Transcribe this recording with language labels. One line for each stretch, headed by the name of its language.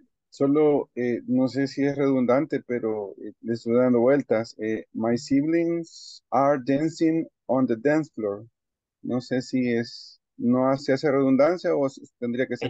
Spanish: Solo, no sé si es redundante, pero le estoy dando vueltas.
English: My siblings are dancing on the dance floor.
Spanish: No sé si es, no se hace redundancia o tendría que ser